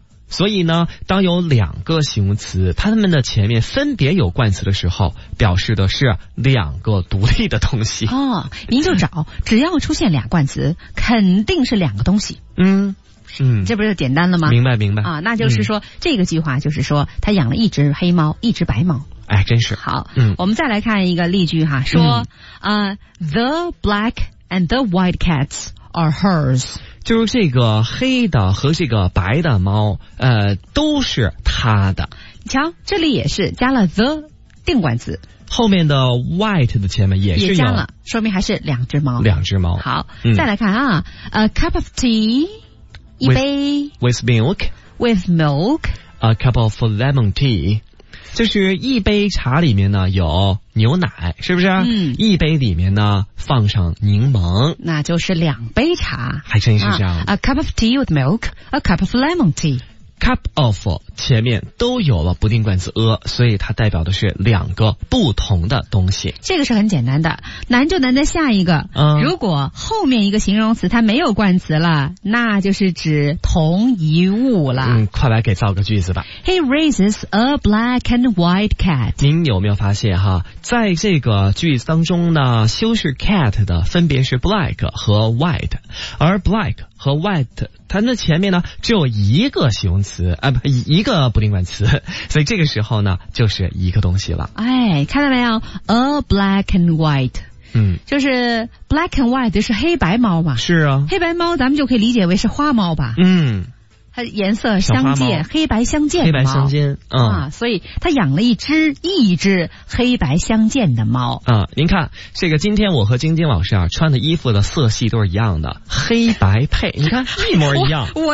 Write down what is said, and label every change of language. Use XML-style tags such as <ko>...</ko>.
<zh>所以呢，当有两个形容词它们的前面分别有冠词的时候，表示的是两个独立的东西。哦，您就找只要出现俩冠词肯定是两个东西。嗯嗯，这不是就简单了吗？明白明白啊。那就是说、嗯、这个计划就是说他养了一只黑猫一只白猫。哎，真是好。嗯，我们再来看一个例句哈，说</zh> <en>the black and the white cats are hers。</en> <zh>就是这个黑的和这个白的猫都是他的。你瞧，这里也是加了 the 定冠词，后面的 white 的前面也是也加了，说明还是两只猫，两只猫。好、嗯、再来看啊，</zh> <en>a cup of tea，</en> <zh>一杯</zh> <en>with milk， with milk， a cup of lemon tea，</en> <zh>就是一杯茶里面呢有牛奶，是不是？嗯，一杯里面呢放上柠檬，那就是两杯茶。还真是这样、</zh> <en>a cup of tea with milk， a cup of lemon tea。</en> <zh>cup of 前面都有了不定冠词 a， 所以它代表的是两个不同的东西。这个是很简单的，难就难在下一个、如果后面一个形容词它没有冠词了，那就是指同一物了。嗯，快来给造个句子吧。</zh> <en>He raises a black and white cat。</en> <zh>您有没有发现哈，在这个句子当中呢，修饰 cat 的分别是 black 和 white， 而 black 和 white 它那前面呢只有一个形容词啊，不，一个不定冠词，所以这个时候呢就是一个东西了。哎，看到没有 ？</zh> <en>A black and white。</en> <zh>嗯，就是</zh> <en>black and white</en> <zh>是黑白猫嘛？是啊，黑白猫咱们就可以理解为是花猫吧？嗯。它颜色相间，黑白相间，黑白相间、嗯、啊，所以它养了一只黑白相间的猫啊。您看，这个今天我和晶晶老师啊穿的衣服的色系都是一样的，黑白配，你看一模一样。</zh>